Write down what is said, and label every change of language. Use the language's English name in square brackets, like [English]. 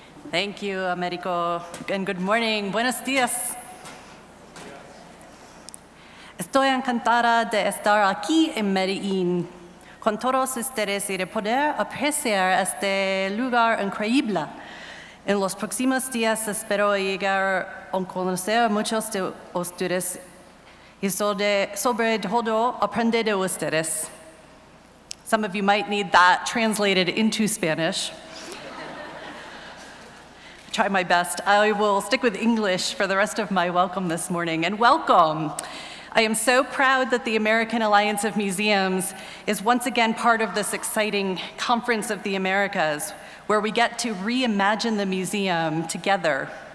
[English] Thank you, Americo, and good morning. [Spanish] Buenos días. Estoy encantada de estar aquí en Medellín con todos ustedes y de poder apreciar este lugar increíble. En los próximos días espero llegar a conocer a muchos de ustedes y sobre todo aprender de ustedes. [English] Some of you might need that translated into Spanish. Try my best. I will stick with English for the rest of my welcome this morning. And welcome. I am so proud that the American Alliance of Museums is once again part of this exciting Conference of the Americas, where we get to reimagine the museum together.